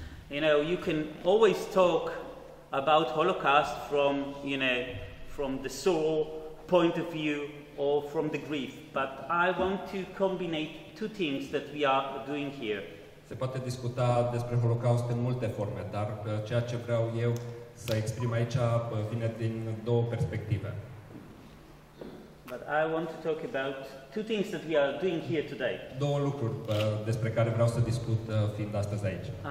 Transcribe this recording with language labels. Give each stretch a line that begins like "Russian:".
English: You know, you can always talk about Holocaust from, you know, from the soul point of view or from the grief, but I want to combine two things that we are doing here.
Romanian: Se poate discuta despre Holocaust în multe forme, dar ceea ce vreau eu să exprim aici vine din două perspective.
English: But I want to talk about two things that we are doing here today.
Romanian: Două lucruri despre care vreau să discut fiind astăzi aici.